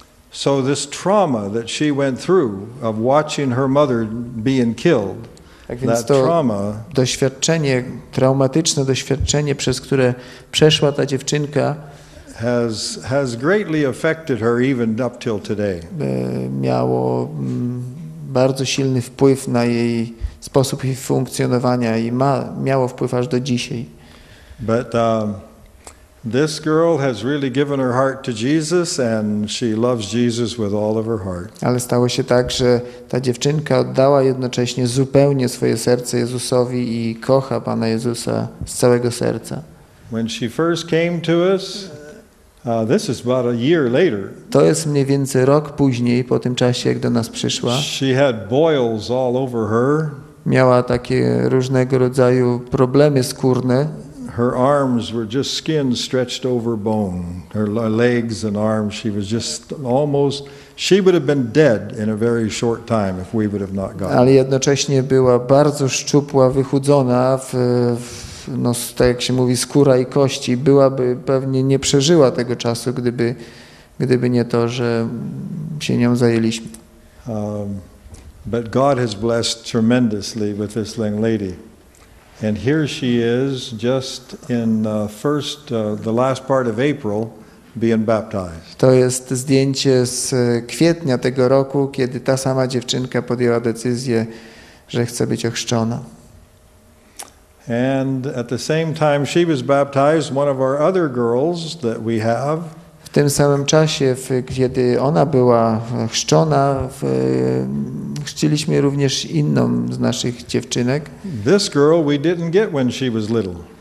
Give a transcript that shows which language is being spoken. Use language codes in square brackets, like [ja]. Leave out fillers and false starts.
[en] So this trauma that she went through of watching her mother being killed, that trauma, [pl] doświadczenie, traumatyczne doświadczenie, przez które przeszła ta dziewczynka, [en] has greatly affected her even up till today. [pl] Miało bardzo silny wpływ na jej sposób jej funkcjonowania i miało wpływ aż do dzisiaj. [en] But this girl has really given her heart to Jesus and she loves Jesus with all of her heart. [pl] Ale stało się tak, że ta dziewczynka oddała jednocześnie zupełnie swoje serce Jezusowi i kocha Pana Jezusa z całego serca. [en] When she first came to us, this is about a year later. [pl] To jest mniej więcej rok później, po tym czasie, jak do nas przyszła. [en] She had boils all over her. [pl] Miała takie różnego rodzaju problemy skórne. [en] Her arms were just skin stretched over bone. Her legs and arms, she was just almost, She would have been dead in a very short time if we would have not gone. [pl] Ale jednocześnie była bardzo szczupła, wychudzona no tak jak się mówi skóra i kości, byłaby pewnie nie przeżyła tego czasu, gdyby nie to, że się nią zajęliśmy. [en] But God has blessed tremendously with this young lady. And here she is just in the last part of April being baptized. [pl] To jest zdjęcie z kwietnia tego roku, kiedy ta sama dziewczynka podjęła decyzję, że chce być ochrzczona. [en] And at the same time she was baptized, one of our other girls that we have. [pl] W tym samym czasie, kiedy ona była chrzczona, chrzciliśmy również inną z naszych dziewczynek. [en] This girl we didn't get when she was little.